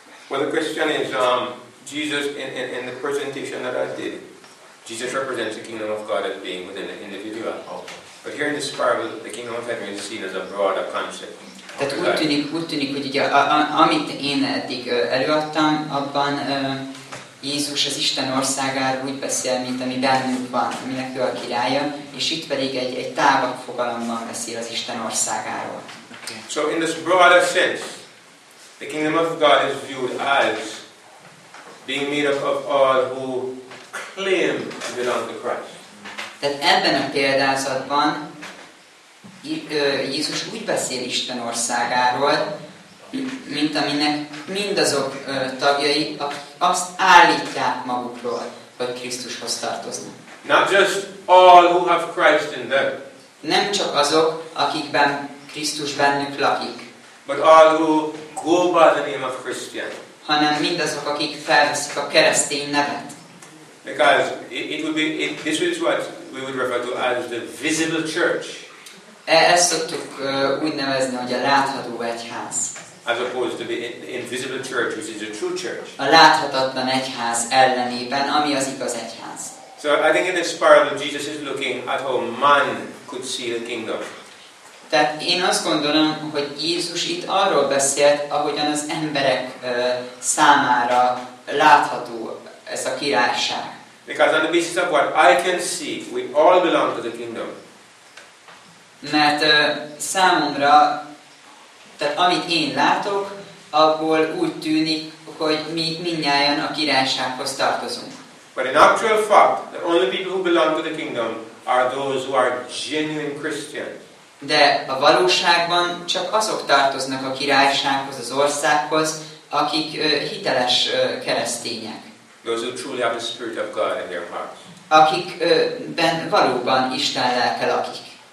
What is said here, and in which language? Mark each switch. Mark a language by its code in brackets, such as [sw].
[en] Well, the question is, Jesus, in the presentation that I did, Jesus represents the kingdom of God as being within the individual. But here in this parable, the kingdom of heaven is seen as a broader concept. [hu] Tehát úgy tűnik, hogy ugye, amit én eddig előadtam, abban Jézus az Isten országáról úgy beszél, mint ami bennünk van, aminek ő a királya, és itt pedig egy távabb fogalommal beszél az Isten országáról. [en] Okay. So in this broader sense, the kingdom of God is viewed as being made up of all who claim to belong to Christ. [hu] Tehát ebben a példázatban Jézus úgy beszél Isten országáról, mint aminek mindazok tagjai azt állítják magukról, hogy Krisztushoz tartoznak. [en] Not just all who have Christ in them. [hu] Nem csak azok, akikben Krisztus bennük lakik. [en] But all who go by the name of Christian. [hu] Hanem mindazok, akik felveszik a keresztény nevet. [en] Because this is what we would refer to as the visible church. [hu] Ezt szoktuk úgy nevezni, hogy a látható egyház. [en] As opposed to the invisible church, which is a true church. [hu] A láthatatlan egyház ellenében, ami az igaz egyház. [en] So I think in this parable Jesus is looking at how man could see the kingdom. [hu] Tehát én azt gondolom, hogy Jézus itt arról beszélt, ahogyan az emberek számára látható ez a királyság. [en] Because on the basis of what I can see, we all belong to the kingdom. [hu] Mert számomra Tehát amit én látok, abból úgy tűnik, hogy mi mindnyájan a királysághoz tartozunk. [en] But in actual fact, the only people who belong to the kingdom are those who are genuine Christians. [hu] De a valóságban csak azok tartoznak a királysághoz, az országhoz, akik hiteles keresztények. [en] Those who truly have the Spirit of God in their hearts. [hu] Akikben valóban Isten lelke lakik.